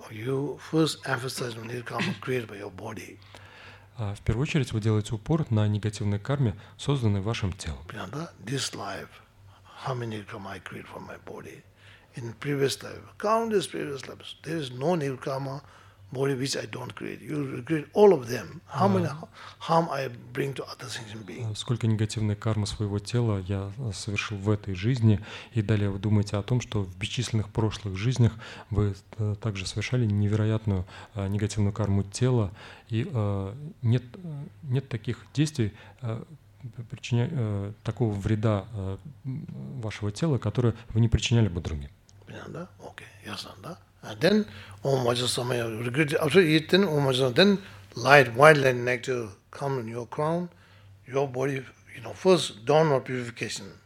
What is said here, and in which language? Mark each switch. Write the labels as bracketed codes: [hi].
[en] you first emphasize the negative karma created by your body. [ru] В первую очередь вы делаете упор на негативной карме, созданной вашим телом. [en] This life, how many karma I create for my body? In previous life, countless previous lives, there is no negative karma. Body which I don't create, you create all of them. How many harm I bring to other sentient beings? [ru] Сколько негативной кармы своего тела я совершил в этой жизни, и далее вы думаете о том, что в бесчисленных прошлых жизнях вы также совершали невероятную негативную карму тела, и нет таких действий, причинять такого вреда вашего тела, который вы не причиняли бы другим. [en] Понятно? Окей, ясно, да? And then, Om Vajrasvama, you regret it. After you eat, then Om Vajrasvama, then light, wild light nectar come in your crown, your body, you know, first dawn of purification.